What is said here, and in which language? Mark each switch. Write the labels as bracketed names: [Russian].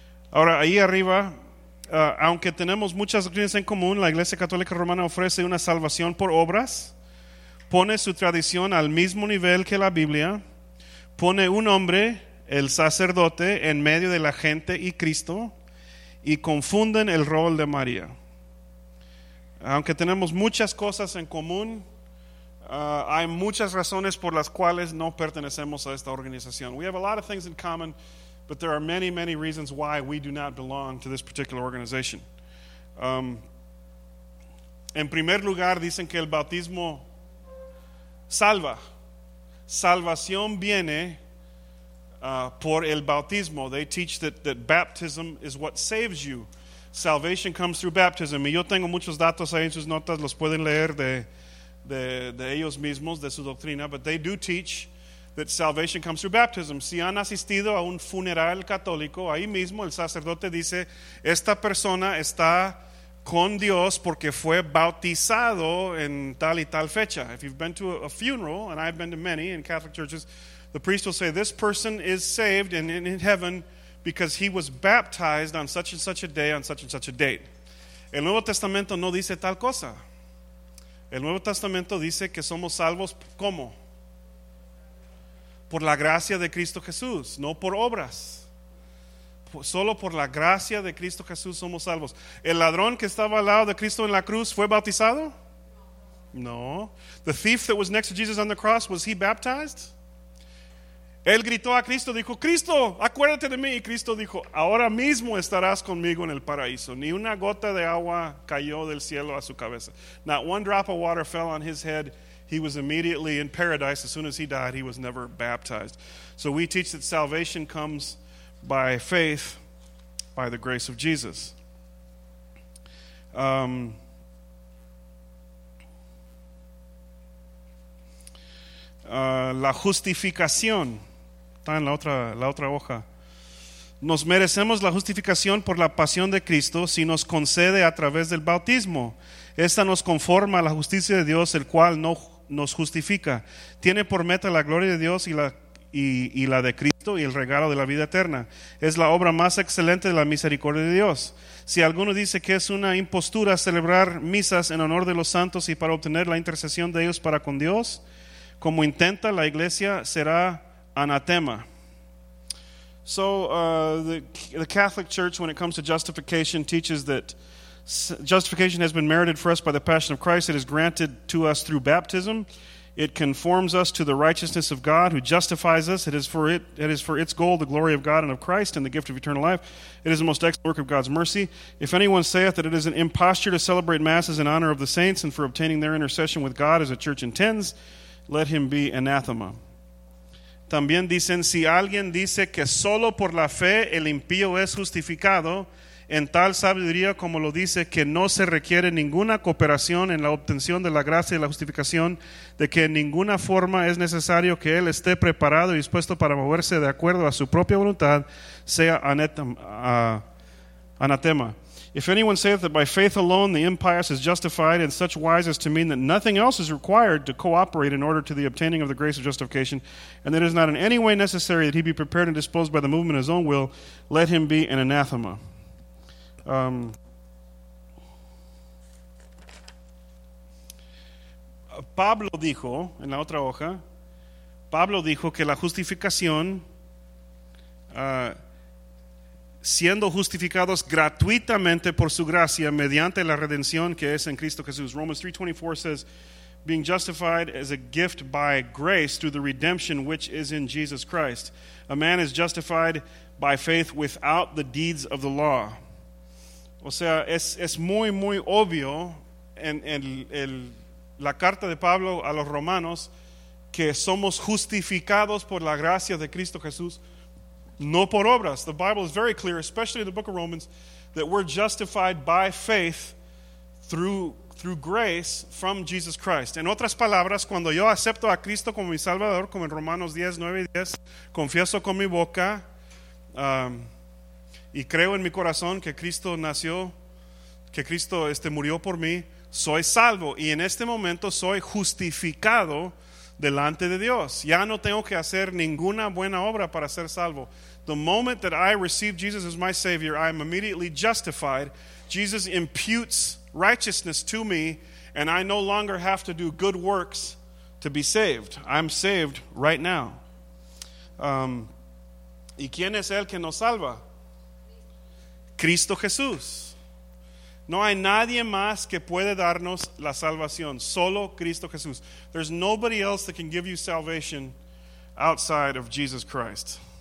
[Spanish] Ahora, ahí arriba, aunque tenemos muchas doctrinas en común, la Iglesia Católica Romana ofrece una salvación por obras, pone su tradición al mismo nivel que la Biblia, pone un hombre, el sacerdote, en medio de la gente y Cristo, y confunden el rol de María. Aunque tenemos muchas cosas en común, hay muchas razones por las cuales no pertenecemos a esta organización. [English] We have a lot of things in common, but there are many, many reasons why we do not belong to this particular organization. [Spanish] En primer lugar, dicen que el bautismo salva. Salvación viene por el bautismo. [English] They teach that baptism is what saves you. Salvation comes through baptism. [Spanish] Y yo tengo muchos datos ahí en sus notas, los pueden leer de ellos mismos, de su doctrina, [English] but they do teach that salvation comes through baptism. [Spanish] Si han asistido a un funeral católico, ahí mismo el sacerdote dice, esta persona está con Dios porque fue bautizado en tal y tal fecha. [English] If you've been to a funeral, and I've been to many in Catholic churches, the priest will say, this person is saved and in heaven because he was baptized on such and such a day, on such and such a date. [Spanish] El Nuevo Testamento no dice tal cosa. El Nuevo Testamento dice que somos salvos, ¿cómo? Por la gracia de Cristo Jesús, no por obras. Solo por la gracia de Cristo Jesús somos salvos. ¿El ladrón que estaba al lado de Cristo en la cruz fue bautizado? No. [English] ¿The thief that was next to Jesus on the cross, was he baptized? [Spanish] Él gritó a Cristo, dijo, Cristo, acuérdate de mí. Y Cristo dijo, ahora mismo estarás conmigo en el paraíso. Ni una gota de agua cayó del cielo a su cabeza. [English] Not one drop of water fell on his head. He was immediately in paradise. As soon as he died, he was never baptized. So we teach that salvation comes by faith, by the grace of Jesus. [Spanish] La justificación está en la otra hoja. Nos merecemos la justificación por la pasión de Cristo si nos concede a través del bautismo. Esta nos conforma a la justicia de Dios, el cual no nos justifica. Tiene por meta la gloria de Dios y la de Cristo y el regalo de la vida eterna. Es la obra más excelente de la misericordia de Dios. Si alguno dice que es una impostura celebrar misas en honor de los santos y para obtener la intercesión de ellos para con Dios, como intenta la iglesia, será anatema. [English] So the Catholic Church, when it comes to justification, teaches that justification has been merited for us by the passion of Christ. It is granted to us through baptism. It conforms us to the righteousness of God who justifies us. It is for its goal, the glory of God and of Christ and the gift of eternal life. It is the most excellent work of God's mercy. If anyone saith that it is an imposture to celebrate masses in honor of the saints and for obtaining their intercession with God as a church intends, let him be anathema. [Spanish] También dicen, si alguien dice que solo por la fe el impío es justificado, en tal sabiduría como lo dice, que no se requiere ninguna cooperación en la obtención de la gracia y la justificación, de que en ninguna forma es necesario que él esté preparado y dispuesto para moverse de acuerdo a su propia voluntad, sea anatema. [English] If anyone saith that by faith alone the impious is justified in such wise as to mean that nothing else is required to cooperate in order to the obtaining of the grace of justification, and that it is not in any way necessary that he be prepared and disposed by the movement of his own will, let him be an anathema. Um, [Spanish] Pablo dijo en la otra hoja, Pablo dijo que la justificación, siendo justificados gratuitamente por su gracia mediante la redención que es en Cristo Jesús. [English] Romans 3:24 says, being justified as a gift by grace through the redemption which is in Jesus Christ. A man is justified by faith without the deeds of the law. [Spanish] O sea, es muy, muy obvio en la carta de Pablo a los romanos que somos justificados por la gracia de Cristo Jesús, no por obras. [English] The Bible is very clear, especially in the book of Romans, that we're justified by faith through grace from Jesus Christ. [Spanish] En otras palabras, cuando yo acepto a Cristo como mi Salvador, como en Romanos 10, 9 y 10, confieso con mi boca y creo en mi corazón que Cristo nació, que Cristo murió por mí, soy salvo y en este momento soy justificado delante de Dios. Ya no tengo que hacer ninguna buena obra para ser salvo. [English] The moment that I receive Jesus as my Savior, I am immediately justified. Jesus imputes righteousness to me, and I no longer have to do good works to be saved. I'm saved right now. [Spanish] ¿Y quién es el que nos salva? Cristo Jesús. No hay nadie más que puede darnos la salvación. Solo Cristo Jesús. [English] There's nobody else that can give you salvation outside of Jesus Christ.